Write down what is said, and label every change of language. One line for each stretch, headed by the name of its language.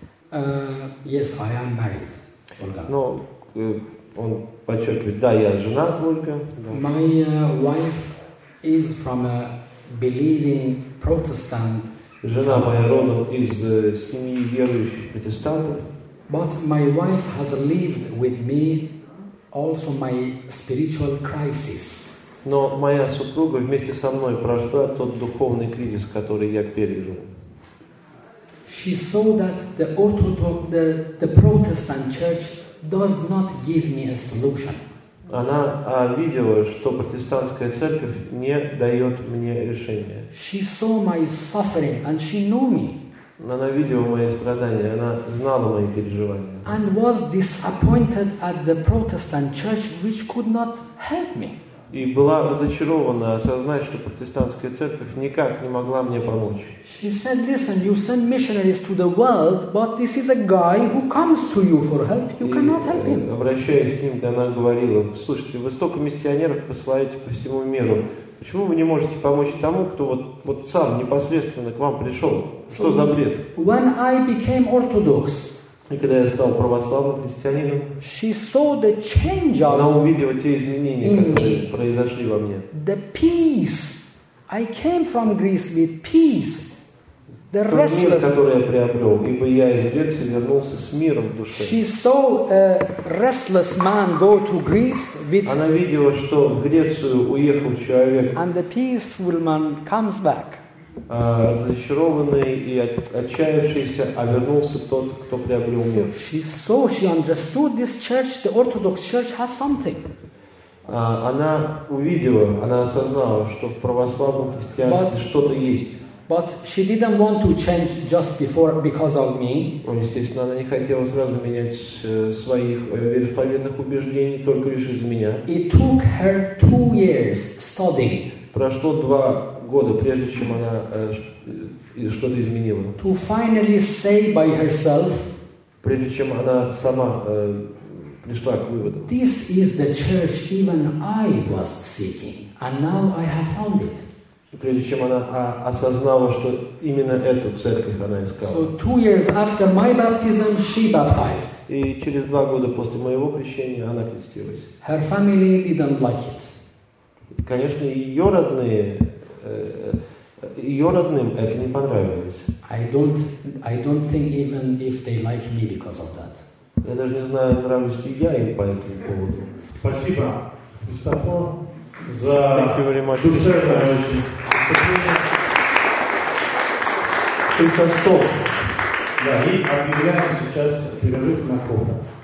English: Yes, I am married.
Russian: Но, он подчеркивает, да, я женат только.
English: My wife is from a believing Protestant.
Russian: Жена моя родом из семьи верующих протестантов.
English: But my wife has lived with me also my spiritual crisis.
Russian: Но моя супруга вместе со мной прошла тот духовный кризис, который я пережил.
English: she saw that the Orthodox, the Protestant Church does not give me a solution.
Russian: Она видела, что протестантская церковь не дает мне решения.
English: She saw my suffering and she knew me.
Russian: Она видела мои страдания, она знала мои переживания.
English: And was disappointed at the Protestant Church, which could not help me.
Russian: И была разочарована, осознать, что протестантская церковь никак не могла мне помочь.
English: She said, "Listen, you send missionaries to the world, but this is a guy who comes to you for help. You cannot help him."
Russian: Обращаясь к ним, она говорила: "Слушайте, вы столько миссионеров посылаете по всему миру. Почему вы не можете помочь тому, кто вот сам непосредственно к вам пришел? Что за бред?"
English: When I became Orthodox.
Russian: И когда я стал православным христианином,
English: she saw the change
Russian: она увидела те изменения, которые произошли во мне.
English: The peace. I came from Greece with peace. The restless.
Russian: Мир, который я приобрел, ибо я из Греции вернулся с миром в душе.
English: She saw a restless man go to Greece with.
Russian: Она видела, что в Грецию уехал человек.
English: And the peaceful man comes back.
Russian: Разочарованный и отчаявшийся, а вернулся тот, кто приобрел мир.
English: She saw, she understood this church, the Orthodox Church has something.
Russian: Она увидела, она осознала, что в православном христианстве что-то есть.
English: But she didn't want to change just before because of me.
Russian: Естественно, она не хотела сразу менять своих вероисповедных убеждений только лишь из-за меня.
English: It took her 2 years studying.
Russian: Прошло 2 года, прежде чем она что-то изменила.
English: To finally say by herself.
Russian: Прежде чем она сама пришла к выводу.
English: This is the church even I was seeking, and now I have found it.
Russian: Прежде чем она осознала, что именно эту церковь она искала.
English: So 2 years after my baptism, she baptized.
Russian: И через 2 года после моего крещения она крестилась.
English: Her family didn't like it.
Russian: Конечно, ее родным это не понравилось.
English: I don't think even if they like me because of that.
Russian: Я даже не знаю, нравлюсь ли я им по этому поводу. Спасибо, Кристофо, за душевное общение. Кристофо, да, и объявляем сейчас перерыв на кофе.